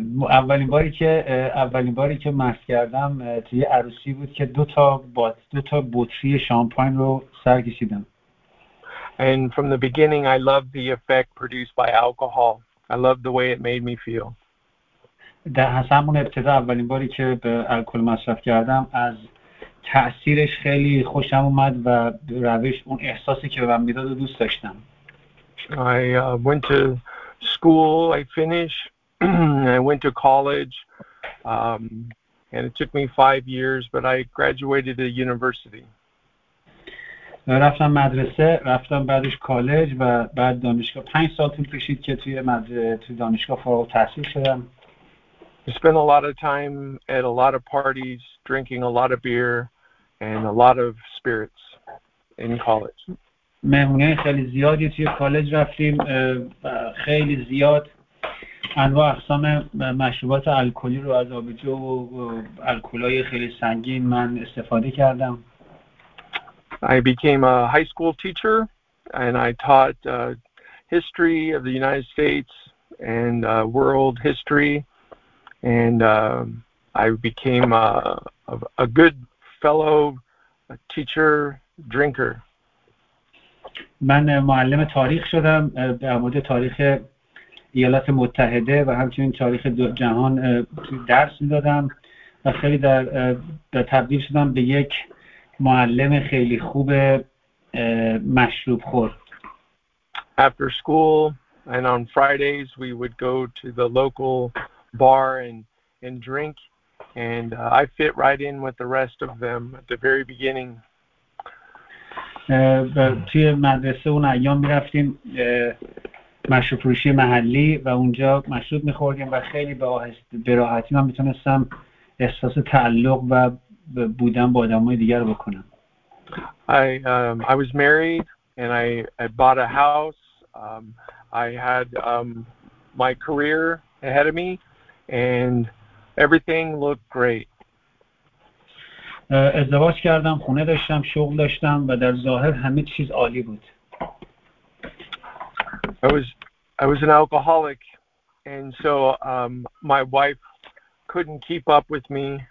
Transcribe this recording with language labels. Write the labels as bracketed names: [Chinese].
[Persian] اولین باری که مست کردم توی عروسی بود که دو تا بطری شامپاین رو سر کشیدم. [English] And from the beginning, I loved the effect produced by alcohol. I loved the way it made me feel. [Persian] در همون ابتدا اولین باری که به الکل مصرف کردم، از تأثیرش خیلی خوشم اومد و روش اون احساسی که به من میداد دوست داشتم. [English] I went to school. I finished. I went to college. And it took me 5 years, but I graduated to university. [Persian] رفتم مدرسه، رفتم بعدش کالج و بعد دانشگاه. 5 سال طول کشید که توی دانشگاه فارغ التحصیل شدم. [English] I spent a lot of time at a lot of parties, drinking a lot of beer and a lot of spirits in college. [Persian] مهمونی خیلی زیادی توی کالج رفتیم، خیلی زیاد انواع اقسام مشروبات الکلی رو از آبجو و الکلای خیلی سنگین من استفاده کردم. [English] I became a high school teacher and I taught history of the United States and world history and I became a good fellow a teacher drinker. [Persian] من معلم تاریخ شدم به مورد تاریخ ایالات متحده و همچنین تاریخ جهان درس می‌دادم و خیلی در تبدیل شدم به یک معلم خیلی خوب مشروب خور. [English] After school and on Fridays we would go to the local bar and drink and I fit right in with the rest of them at the very beginning. [Persian] توی مدرسه اون ایام می‌رفتیم مشروب فروشی محلی و اونجا مشروب می‌خوردیم و خیلی به راحتی من می‌تونستم احساس تعلق و بودن با آدم‌های دیگر بکنم. [English] I was married and I bought a house. I had my career ahead of me and everything looked great. [Persian] ازدواج کردم، خونه داشتم، شغل داشتم و در ظاهر همه چیز عالی بود. [English] I was an alcoholic and so my wife couldn't keep up with me.